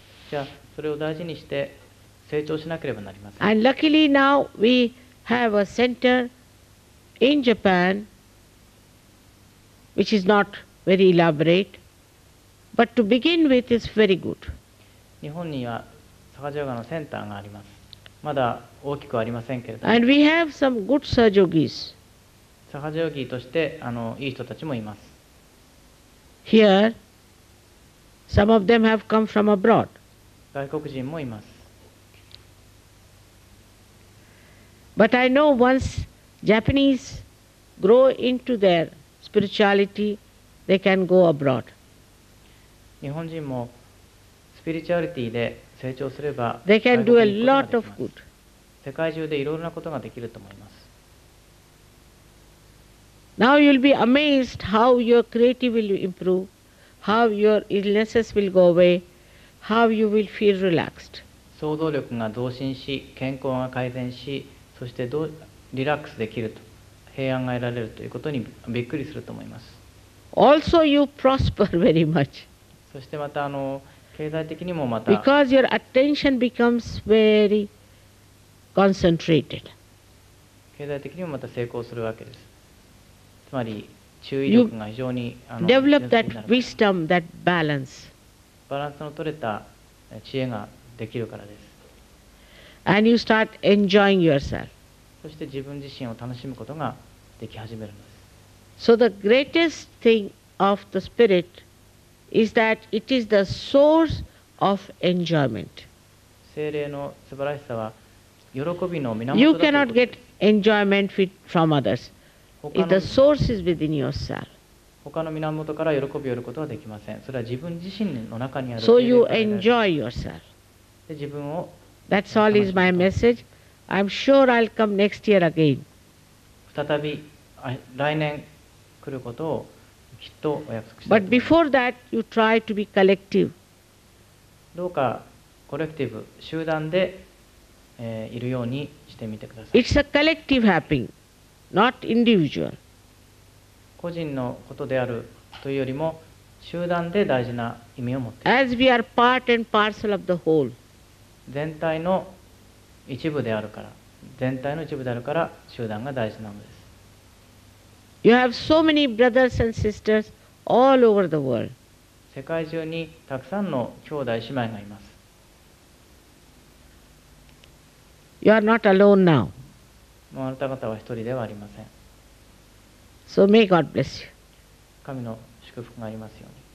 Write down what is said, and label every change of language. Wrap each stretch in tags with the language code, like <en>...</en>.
<en>And luckily now we have a center in Japan which is not very elaborate, but to begin with is very good.</en> <ja>日本にはサガジヨガのセンターがあります。まだ大きくありませんけれども</ja> <en>。 And we have some good sahajogis.</en> <ja>サハジョギーとしていい人たちもいます。</ja> <en>Here, some of them have come from abroad.</en> <ja>外国人もいます。</ja> <en>But I know once Japanese grow into their spirituality, they can go abroad.</en> <ja>日本人もスピリチュアリティで成長すれば、</ja> <en>they can do a lot of good.</en> <ja>世界中でいろいろなことができると思います。</ja> <en>Now you'll be amazed how your creativity will improve, how your illnesses will go away, how you will feel relaxed.</en> <ja>想像力が増進し、健康が改善し、そしてどうリラックスできると、平安が得られるということにびっくりすると思います。</ja> <en>Also you prosper very much.</en> <ja>そしてまた経済的にもまた。</ja> <en>Because your attention becomes very concentrated.</en> <ja>経済的にもまた成功するわけです。つまり注意力が非常に</ja> <en>develop that wisdom, that balance.</en> <ja>バランスの取れた知恵ができるからです。</ja> <en>And you start enjoying yourself.</en> <ja>そして自分自身を楽しむことができ始めるのです。</ja> <en>So the greatest thing of the spirit is that it is the source of enjoyment.</en> <ja>聖霊の素晴らしさは喜びの源だということです。</ja> <en>You cannot get enjoyment from others. If the source is within yourself.</en> <ja>他の源から喜びを得ることはできません。それは自分自身の中にある。</ja> <en>So you enjoy yourself.</en> <ja>で自分を。</ja> <en>That's all is my message. I'm sure I'll come next year again.</en> <ja>再び来年来ることをきっとお約束します。</ja> <en>But before that, you try to be collective.</en> <ja>どうかコレクティブ、集団で、いるようにしてみてください。</ja> <en>It's a collective happening, not individual.</en> <ja>個人のことであるというよりも集団で大事な意味を持っています</ja> <en>As we are part and parcel of the whole.</en> <ja>全体の一部であるから、全体の一部であるから集団が大事なのです。</ja> <en>You have so many brothers and sisters all over the world.</en> <ja>世界中にたくさんの兄弟姉妹がいます。</ja> <en>You are not alone now.</en> <ja>もうあなた方は一人ではありません。</ja> <en>So may God bless you.</en> <ja>神の祝福がありますように。</ja>